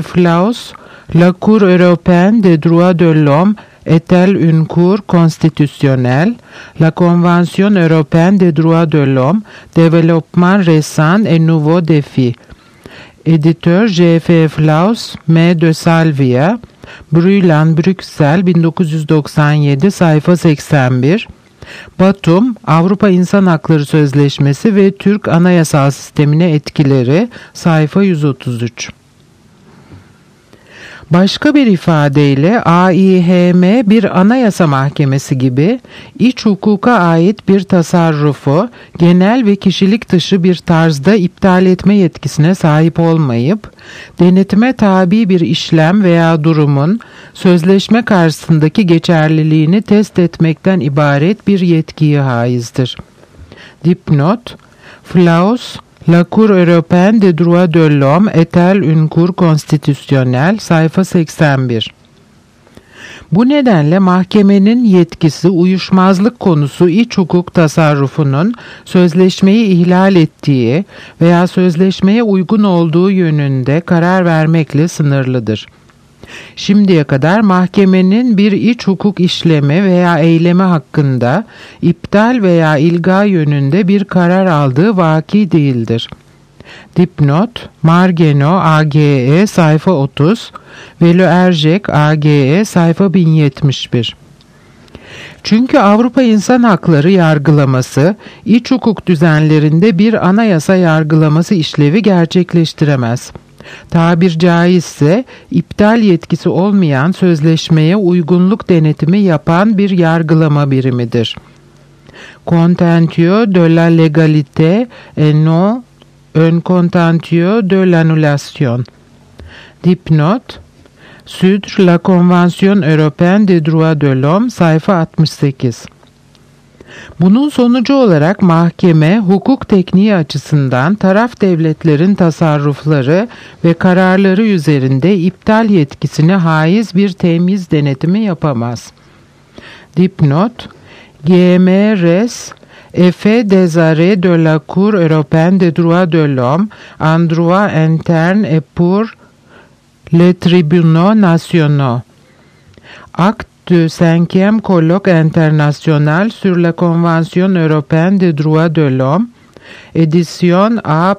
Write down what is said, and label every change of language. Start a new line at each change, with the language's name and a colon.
French: Flaus, La Cour Européenne des Droits de l'Homme est une cour constitutionnelle, La Convention Européenne des Droits de l'Homme, Développement récent et nouveau défi. Éditeur J.F. Flaus, M.
Turkish: de Salvia, Brüland, Bruxelles 1997 sayfa 81, Batum, Avrupa İnsan Hakları Sözleşmesi ve Türk Anayasal Sistemine Etkileri sayfa 133. Başka bir ifadeyle AİHM bir anayasa mahkemesi gibi iç hukuka ait bir tasarrufu genel ve kişilik dışı bir tarzda iptal etme yetkisine sahip olmayıp, denetime tabi bir işlem veya durumun sözleşme karşısındaki geçerliliğini test etmekten ibaret bir yetkiye haizdir. Dipnot,
French: Flaus, La Cour Européenne des Droits de l'Homme est une cour constitutionnelle
Turkish: sayfa 81. Bu nedenle mahkemenin yetkisi uyuşmazlık konusu iç hukuk tasarrufunun sözleşmeyi ihlal ettiği veya sözleşmeye uygun olduğu yönünde karar vermekle sınırlıdır. Şimdiye kadar mahkemenin bir iç hukuk işlemi veya eylemi hakkında iptal veya ilga yönünde bir karar aldığı vaki değildir. Dipnot, Margeno AGE sayfa 30, Velo Ercek AGE sayfa 1071. Çünkü Avrupa İnsan Hakları Yargılaması, iç hukuk düzenlerinde bir anayasa yargılaması işlevi gerçekleştiremez. Tabir caizse iptal yetkisi olmayan sözleşmeye uygunluk denetimi yapan bir yargılama birimidir.
French: Contentio de la légalité et non un contentio de l'annulation.
Turkish: Dipnot,
French: Sûdr, La Convention Européenne des Droits de l'Homme
Turkish: sayfa 68. Bunun sonucu olarak mahkeme, hukuk tekniği açısından taraf devletlerin tasarrufları ve kararları üzerinde iptal yetkisine haiz bir temyiz denetimi yapamaz. Dipnot,
French: GMRS, EFE des arrêts de la Cour européenne des droits de l'homme, en droit interne et pour les tribunaux nationaux. Acte du 5e colloque international sur la Convention européenne des droits de l'homme, édition A.